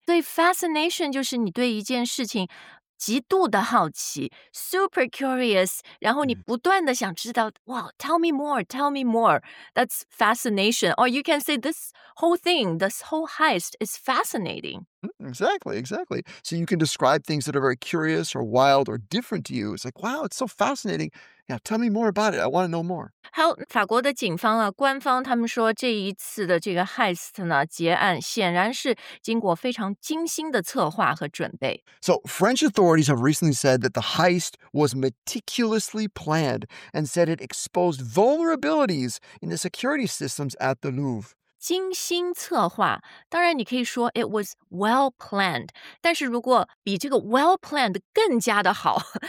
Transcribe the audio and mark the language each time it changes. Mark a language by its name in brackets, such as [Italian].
[Chinese] 对 fascination 就是你对一件事情极度的好奇 [English] super curious, [Chinese] 然后你不断的想知道 [English] wow, tell me more. That's fascination. Or you can say this whole thing, this whole heist is fascinating. Exactly. So you can describe things that are very curious or wild or different to you. It's like, wow, it's so fascinating. Yeah, tell me more about it. I want to know more. [Chinese] 好，法国的警方啊，官方他们说这一次的这个 heist 呢，劫案显然是经过非常精心的策划和准备。 [English] So French authorities have recently said that the heist was meticulously planned and said it exposed vulnerabilities in the security systems at the Louvre. [Chinese] 精心策划，当然你可以说 [English] it was well planned. [Chinese] 但是如果比这个 [English] well planned [Chinese] 更加的好